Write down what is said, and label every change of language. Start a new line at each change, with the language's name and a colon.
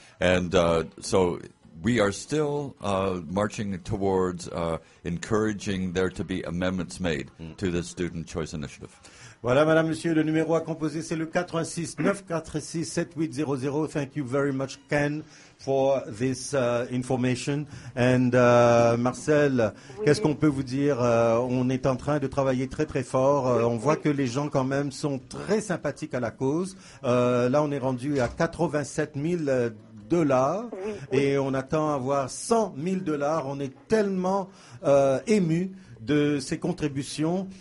English: And so we are still marching towards encouraging there to be amendments made to the Student Choice Initiative.
French: Voilà, madame, monsieur, le numéro à composer, c'est le 416-946-7800.
English: Thank you very much, Ken, for this information.
French: And Marcel, oui. Qu'est-ce qu'on peut vous dire? On est en train de travailler très, très fort. On voit que les gens, quand même, sont très sympathiques à la cause. Là, on est rendu à 87 000 dollars et on attend à avoir 100 000 dollars. On est tellement émus de ses contributions.